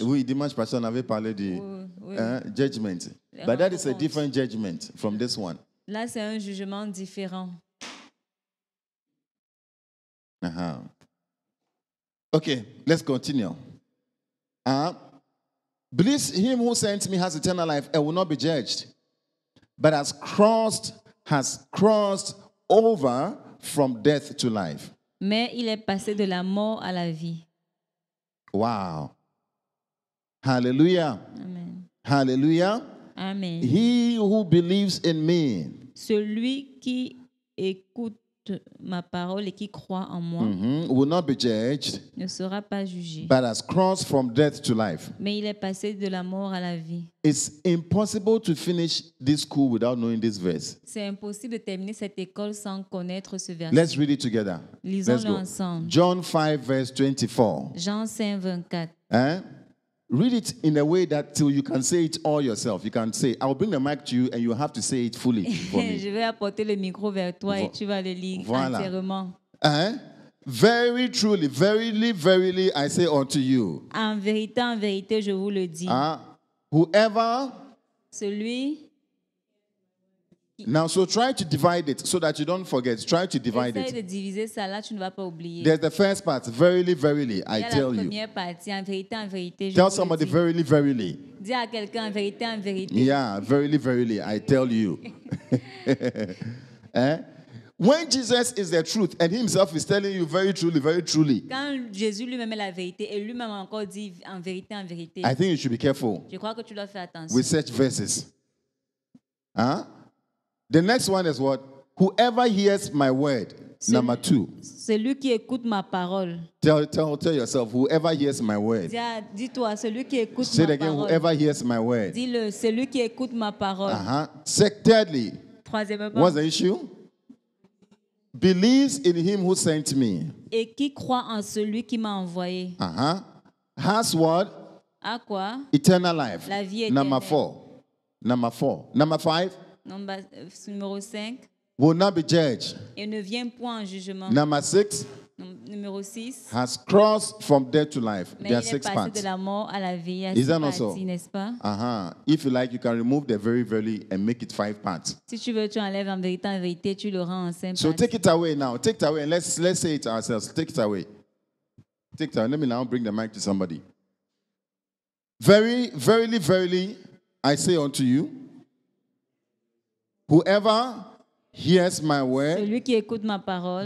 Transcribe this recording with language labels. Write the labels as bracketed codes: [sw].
[fr] Oui, dimanche, parce qu'on avait parlé du judgment. [en] But that is a different judgment from this one. [fr] Là, c'est un jugement différent. [en] Okay, let's continue. Bless him who sent me has eternal life and will not be judged, but has crossed over from death to life. [fr] Mais il est passé de la mort à la vie. [en] Wow. Hallelujah. Amen. Hallelujah. Amen. He who believes in me. [fr] Celui qui écoute ma parole et qui croit en moi. [en] Will not be judged. [fr] Ne sera pas jugé. [en] But has crossed from death to life. [fr] Mais il est passé de la mort à la vie. [en] It's impossible to finish this school without knowing this verse. [fr] C'est impossible de terminer cette école sans connaître ce verset. [en] Let's read it together. [fr] Lisons-le [en] Let's go. [fr] Ensemble. [en] John 5, verse 24. [fr] Jean 5, 24. [en] Read it in a way that till you can say it all yourself. You can say, I'll bring the mic to you and you have to say it fully for me. [fr] Je vais apporter le micro vers toi et tu vas le lire voilà. Entièrement. [en] Very truly, verily, verily, I say unto you. [fr] En vérité, je vous le dis. [en] Whoever. [fr] Celui. [en] Now, so try to divide it so that you don't forget. Try to divide it. [fr] De diviser ça, là, tu ne vas pas oublier. [en] There's the first part. Verily, verily, I tell you. Tell somebody, verily, verily. [fr] Dis à quelqu'un, vérité, en vérité. [en] Yeah, verily, verily, I tell you. When Jesus is the truth and himself is telling you very truly, very truly. [fr] Quand Jésus lui-même est la vérité et lui-même encore dit en vérité, [en] I think you should be careful. [fr] Je crois que tu dois faire attention. [en] With such verses. The next one is what? Whoever hears my word. Number two. [fr] Celui qui écoute ma parole. [en] Tell yourself, whoever hears my word. [fr] Dis-toi, celui qui écoute ma parole. [en] Say it again, whoever hears my word. [fr] Dis-le, celui qui écoute ma parole. [en] Thirdly. [fr] Troisième point. [en] What's the issue? Believes in him who sent me. [fr] Et qui croit en celui qui m'a envoyé. [en] Has what? [fr] À quoi? [en] Eternal life. [fr] La vie éternelle. [en] Number four. Number five. [fr] Numéro 5. [en] Will not be judged. [fr] Et ne vient point en jugement. [en] Number 6. [fr] Numéro 6. [en] Has crossed from death to life. [fr] Mais [en] there are six parts. [fr] De la mort à la vie. [en] Is six that [fr] parties, [en] not so? [fr] N'est-ce pas? [en] If you like, you can remove the very, very and make it five parts. [fr] Si tu veux, tu enlèves en vérité, tu le rends en cinq [en] so [fr] parties. [en] So take it away now. Take it away and let's say it ourselves. Take it away. Take it away. Let me now bring the mic to somebody. Very, verily, verily, I say unto you. Whoever hears my word. [fr] Celui qui écoute ma parole.